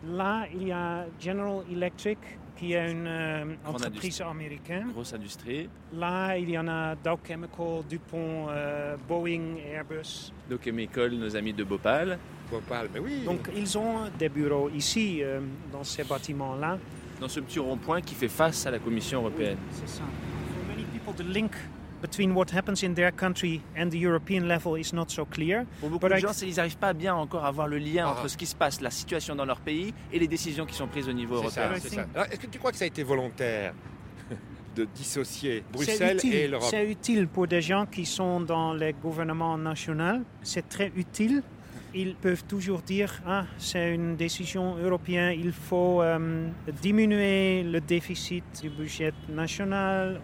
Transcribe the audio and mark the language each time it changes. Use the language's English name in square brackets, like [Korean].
[French] Là, il y a General Electric, qui est une entreprise américaine. Grosse industrie. Là, il y en a Dow Chemical, DuPont, Boeing, Airbus. Dow Chemical, nos amis de Bhopal. Bhopal, mais oui. Donc, ils ont des bureaux ici, dans ces bâtiments-là. Dans ce petit rond-point qui fait face à la Commission européenne. Oui, c'est ça. [English] For many people, the link between what happens in their country and the European level is not so clear. [French] Pour beaucoup de gens, ils n'arrivent pas bien encore à voir le lien entre ce qui se passe, la situation dans leur pays et les décisions qui sont prises au niveau européen. C'est ça. Alors, est-ce que tu crois que ça a été volontaire de dissocier Bruxelles et l'Europe ? C'est utile pour des gens qui sont dans les gouvernements nationaux. C'est très utile. Ils peuvent toujours dire, ah, c'est une décision européenne, il faut diminuer le déficit du budget national.